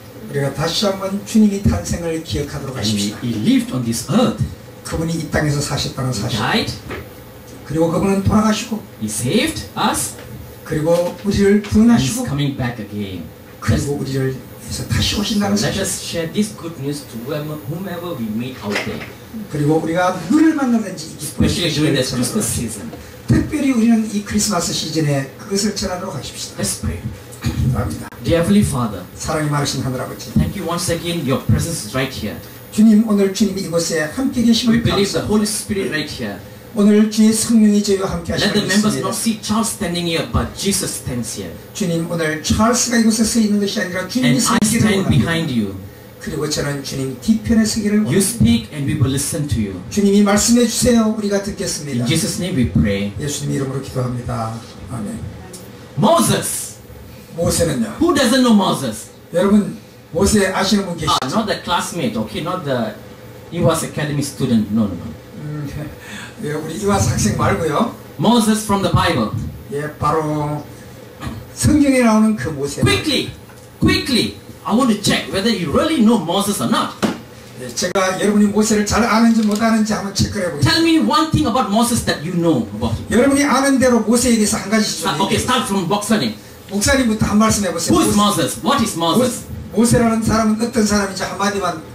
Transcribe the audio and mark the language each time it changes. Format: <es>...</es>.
<ko>우리가 다시 한번 주님이 탄생을 기억하도록 하십시다.</ko> <en>He lived on this earth.</en> <ko>그분이 이 땅에서 사셨다는 사실.</ko> <en>He died.</en> <ko>그리고 그분은 돌아가시고.</ko> <en>He saved us.</en> <ko>그리고 우리를 부르나시고.</ko> <en>He's coming back again.</en> <ko>그리고 우리를 해서 다시 오신다는 사실.</ko> <en>Let us share this good news to whomever we meet out there.</en> <ko>그리고 우리가 누구를 만나든지</ko> <en>Especially during this Christmas season.</en> <ko>특별히 우리는 이 크리스마스 시즌에 그것을 전하도록 하십시다.</ko> <en>Let's pray.</en> <ko>감사합니다.</ko> <en>Dear Heavenly Father,</en> <ko>사랑이 많으신 하늘아버지,</ko> <en>Thank you once again. Your presence is right here.</en> <ko>주님 오늘 주님이 이곳에 함께 계심을</ko> <en>We believe the Holy Spirit right here.</en> <ko>오늘 주의 성령이 저희와 함께 하시고 있습니다.</ko> <en>Let the members not see Charles standing here, but Jesus stands here.</en> <ko>주님 오늘 찰스가 이곳에 서 있는 것이 아니라 주님이 서 계시는</ko> <en>And I stand behind you.</en> <ko>그리고 저는 주님 뒤편에 서기를 원합니다.</ko> <en>You speak and we will listen to you.</en> <ko>주님이 말씀해 주세요. 우리가 듣겠습니다.</ko> <en>In Jesus' name we pray.</en> <ko>예수님 이름으로 기도합니다. 아멘.</ko> <en>Moses.</en> <ko>모세는요.</ko> <en>Who doesn't know Moses?</en> <ko>여러분 모세 아시는 분 계시죠?</ko> <en>Not the classmate, okay? Not the Iwas Academy student. No, no, no.</en> <ko>예, 우리 이와스 학생 말고요.</ko> <en>Moses from the Bible.</en> <ko>예, 바로 성경에 나오는 그 모세.</ko> <en>Quickly, quickly. I want to check whether you really know Moses or not.</en> <ko>예, 제가 여러분이 모세를 잘 아는지 못 아는지 한번 체크해 보세요.</ko> <en>Tell me one thing about Moses that you know about.</en> <ko>여러분이 아는 대로 모세에 대해서 한 가지 좀.</ko> <en>Okay, start from boxing.</en> <ko>목사님부터 한 말씀 해보세요.</ko> <en>Who is Moses? What is Moses?</en> <ko>모세라는 사람은 어떤 사람인지 한마디만</ko>